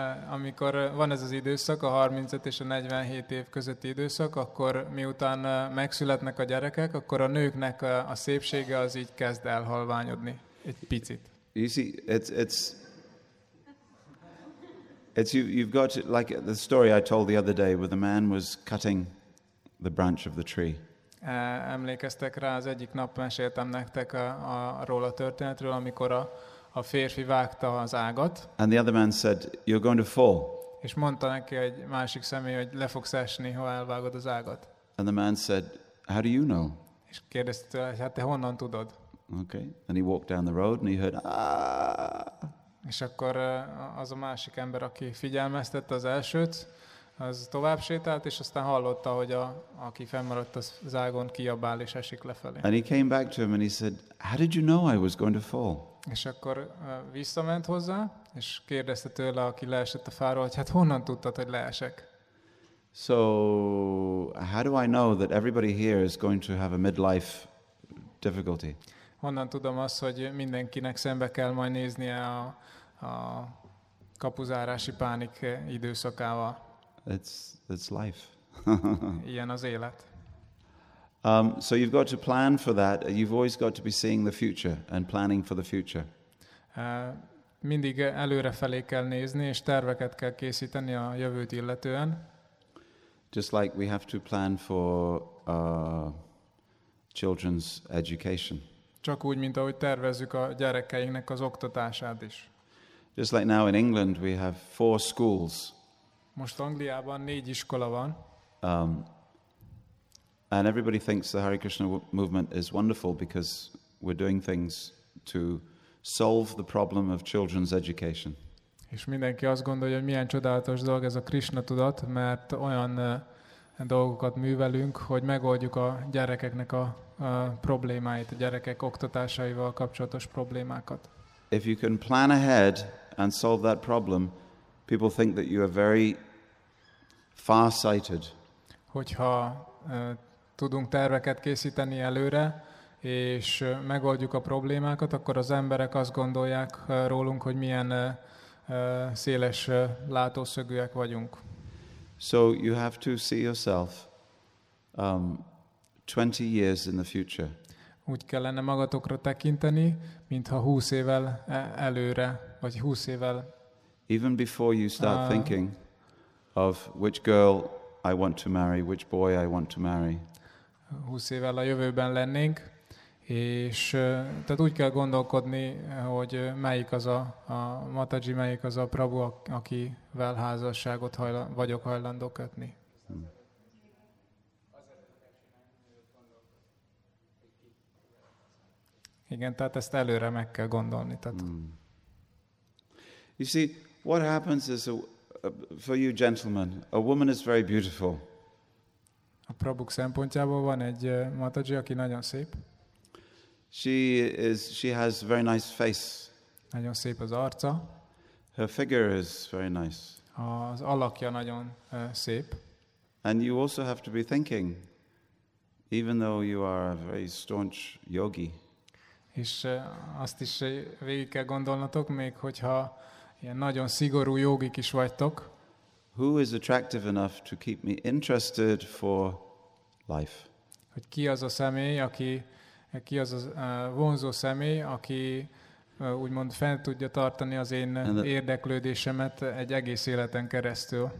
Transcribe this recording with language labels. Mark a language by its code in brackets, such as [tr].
[hu] Amikor van ez az időszak, a 35 és a 47 év közötti időszak, akkor miután megszületnek a gyerekek, akkor a nőknek a szépsége az így kezd elhalványodni egy picit. [en] You see, it's you've got like the story I told the other day where the man was cutting the branch of the tree. [hu] Emlékeztek rá, az egyik nap meséltem nektek arról a történetről, amikor a férfi vágta az ágat. [en] And the other man said, "You're going to fall." [hu] És mondta neki egy másik személy, hogy le fogsz esni, ha elvágod az ágat. [en] And the man said, "How do you know?" [hu] És kérdezte, hát te honnan tudod? [en] Okay. And he walked down the road and he heard, "Ah!" [hu] És akkor az a másik ember, aki figyelmeztette az elsőt, az tovább sétált, és aztán hallotta, hogy aki fennmaradt az ágon, kiabál és esik lefelé. [en] And he came back to him and he said, "How did you know I was going to fall?" [hu] És akkor visszament hozzá, és kérdezte tőle, aki leesett a fáról, hogy hát honnan tudtad, hogy leesek? [en] So, how do I know that everybody here is going to have a midlife difficulty? [hu] Honnan tudom azt, hogy mindenkinek szembe kell majd néznie a kapuzárási pánik időszakával? [en] It's life. [hu] Ilyen az élet. [en] So you've got to plan for that. You've always got to be seeing the future and planning for the future. [hu] Mindig előrefelé kell nézni, és terveket kell készíteni a jövőt illetően. [en] Just like we have to plan for children's education. [hu] Csak úgy, mint ahogy tervezzük a gyerekeinknek az oktatását is. [en] Just like now in England we have 4 schools. [hu] Most Angliában 4 iskola van. [en] And everybody thinks the Hare Krishna movement is wonderful because we're doing things to solve the problem of children's education. [hu] És mindenki azt gondolja, hogy milyen csodálatos dolog ez a Krishna tudat, mert olyan dolgokat művelünk, hogy megoldjuk a gyerekeknek a problémáit, a gyerekek oktatásaival kapcsolatos problémákat. [en] If you can plan ahead and solve that problem, people think that you are very far-sighted. [hu] Hogyha tudunk terveket készíteni előre, és megoldjuk a problémákat, akkor az emberek azt gondolják rólunk, hogy milyen széles látószögűek vagyunk. [en] So you have to see yourself 20 years in the future. [hu] Úgy kellene magatokra tekinteni, mintha 20 évvel előre, vagy 20 évvel [en] even before you start thinking of which girl I want to marry, which boy I want to marry. [hu] 20 évvel a jövőben lennénk, és tehát úgy kell gondolkodni, hogy melyik az a Mataji, melyik az a Prabhu, akivel házasságot vagyok hajlandó kötni. Igen, tehát ezt előre meg kell gondolni. Tehát. [en] You see, what happens is, for you gentlemen, a woman is very beautiful. [hu] A Prabhu szempontjából van egy Mataji, aki nagyon szép. [en] She has a very nice face. [hu] Nagyon szép az arca. [en] Her figure is very nice. [hu] Az alakja nagyon szép. [en] And you also have to be thinking, even though you are a very staunch yogi. [hu] És azt is végig kell gondolnatok, még hogyha ilyen nagyon szigorú jogik is vagytok. [en] Who is attractive enough to keep me interested for life? [hu] Hogy ki az a személy, aki ki az a vonzó személy, aki úgymond fent tudja tartani az én érdeklődésemet egy egész életen keresztül.